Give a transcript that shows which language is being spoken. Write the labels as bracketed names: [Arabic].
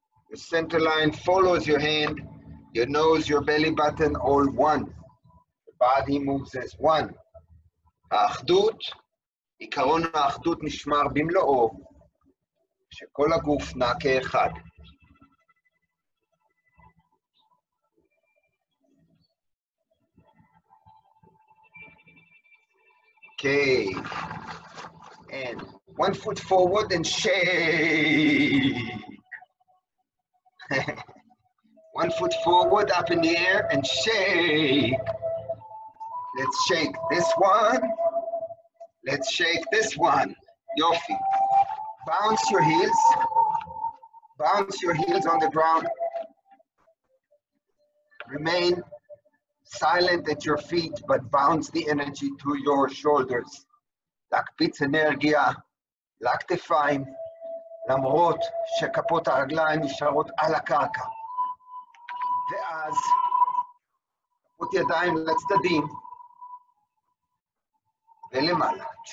[English] The center line follows your hand, your nose, your belly button, all one. The body moves as one. [Hebrew] האחדות, עיקרון האחדות נשמר במלואו, שכל הגוף נע כאחד. [English] Okay, and one foot forward and shake. One foot forward, up in the air and shake. Let's shake this one. Let's shake this one. Your feet. Bounce your heels. Bounce your heels on the ground. Remain silent at your feet, but bounce the energy to your shoulders. [Hebrew] להקפיץ אנרגיה, לכתפיים, למרות שכפות הרגליים נשארות על הקרקע. ואז, כפות ידיים לצדדים, ולמעלה.